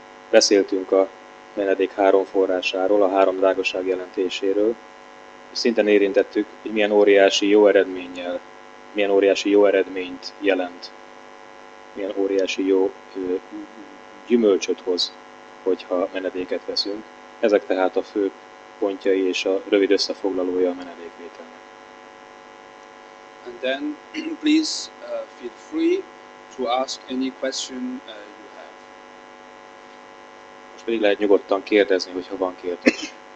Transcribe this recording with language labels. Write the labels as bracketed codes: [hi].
[hu] Beszéltünk a menedék három forrásáról, a három drágaság jelentéséről, és szintén érintettük, hogy milyen óriási jó eredménnyel, milyen óriási jó eredményt jelent, milyen óriási jó gyümölcsöt hoz, hogyha menedéket veszünk. Ezek tehát a fő pontjai és a rövid összefoglalója a menedékvételnek. [en] And then, please feel free to ask any question. [hu] Pedig lehet nyugodtan kérdezni, hogyha van kérdés.